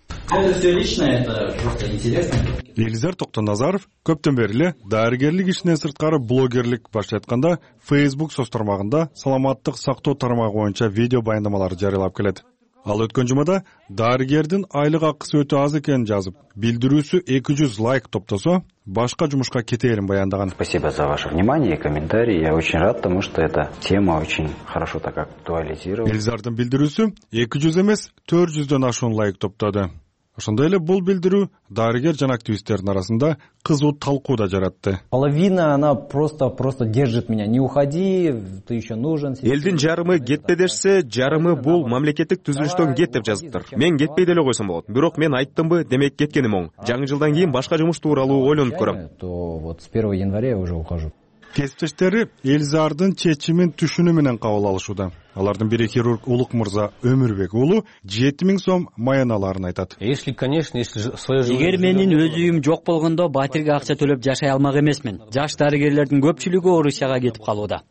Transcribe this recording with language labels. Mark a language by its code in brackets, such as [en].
[ky] Элизар Токтоназаров көптөн бери эле дарыгерлик ишинен сырткары блогерлик баштайтканда Facebook соц тармагында саламаттык сактоо тармагы боюнча видео баяндамалар жарыялап келет. Ал өткөн жумада дарыгердин айлык акысы өтө аз экенин жазып, билдирүүсү 200 лайк топтосо башка жумушка кетээрин баяндаган. [ru] Спасибо за ваше внимание и комментарии. Я очень рад, потому что эта тема очень хорошо так актуализирована. [ky] Элизардын билдирүүсү 200 эмес 400 ашуун лайк топтоду. Ошондой эле бул билдирүү дарыгер жана активисттердин арасында кызуу талкуу да жаратты. [ru] Половина она просто держит меня. Не уходи, ты еще нужен. [ky] Элдин жарымы кетпе дешсе, жарымы бул мамлекеттик түзүлүштөн кет деп жазыптыр. Мен кетпей деле койсом болот. Бирок мен айттымбы, демек кеткеним оң. Жаңы жылдан кийин башка жумуш тууралуу ойлонуп көрөм. [ru] То вот с 1 января я уже ухожу. [ky] Кесиптештери Элизардын чечимин түшүнүү менен кабыл алышууда. Алардын бири хирург Улук Мырза Өмүрбек уулу 7000 сом маяналарын айтат. [ru] Если, конечно, если своё жилье. [ky] Эгер менин өз үйүм жок болгондо батирге акча төлөп жашай алмак эмесмин. Жаш дарыгерлердин көпчүлүгү Орусияга кетип калууда.